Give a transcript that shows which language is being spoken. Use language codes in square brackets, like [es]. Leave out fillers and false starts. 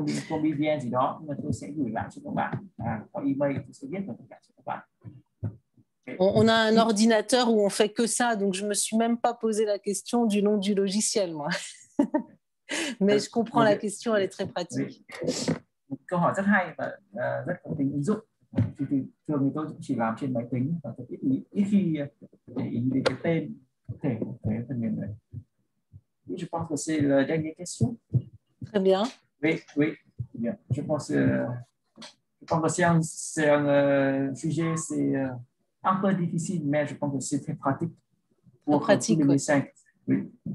[vi] Combivian gì đó, nhưng mà tôi sẽ gửi lại cho các bạn. Có email, tôi sẽ viết cho các bạn. [fr] On a un ordinateur où on fait que ça, donc je me suis même pas posé la question du nom du logiciel, moi. Mais je comprends la question, elle est très pratique. Oui. [vi] Câu hỏi rất hay và rất có tính ứng dụng. Thường thì tôi chỉ làm trên máy tính và tôi ít khi để ý đến cái tên thể của cái phần mềm này. [fr] Oui, je pense que c'est la dernière question. Très bien. Oui, bien. Je pense que c'est un sujet, c'est un peu difficile, mais je pense que c'est très pratique pour pratique, tous les médecins. Oui.